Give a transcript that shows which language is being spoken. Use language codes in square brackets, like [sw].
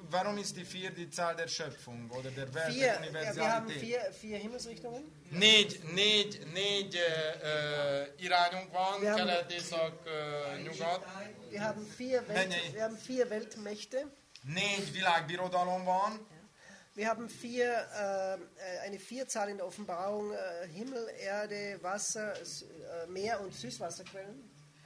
[de] Warum ist die 4 die Zahl der Schöpfung oder der Welt, der Universalität? Ja, wir haben 4 Himmelsrichtungen. [hu] Négy irányunk van, kelet, észak, nyugat. [de] Wir haben vier Weltmächte. [hu] Négy világbirodalom van. [de] Wir haben vier eine Vierzahl in der Offenbarung: Himmel, Erde, Wasser, Meer und Süßwasserquellen.